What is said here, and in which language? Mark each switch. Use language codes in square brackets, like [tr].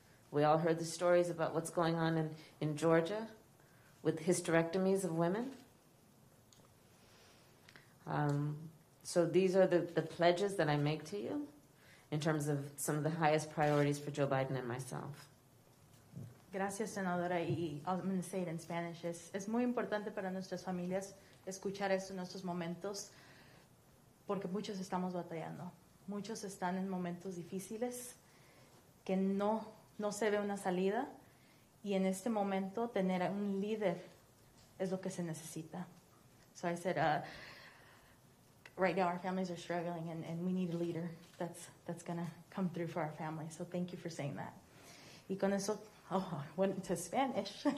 [en] We all heard the stories about what's going on in Georgia with hysterectomies of women. So these are the pledges that I make to you in terms of some of the highest priorities for Joe Biden and myself. [es] Gracias, senadora, y [en] I'm going to say it in Spanish. [es] Es muy importante para nuestras familias escuchar esto en estos momentos porque muchos estamos batallando. Muchos están en momentos difíciles que no se ve una salida, y en este momento tener un líder es lo que se necesita. [en] So I said, right now our families are struggling and we need a leader that's going to come through for our families. So thank you for saying that. [es] Y con eso... [en] Oh, I went into Spanish.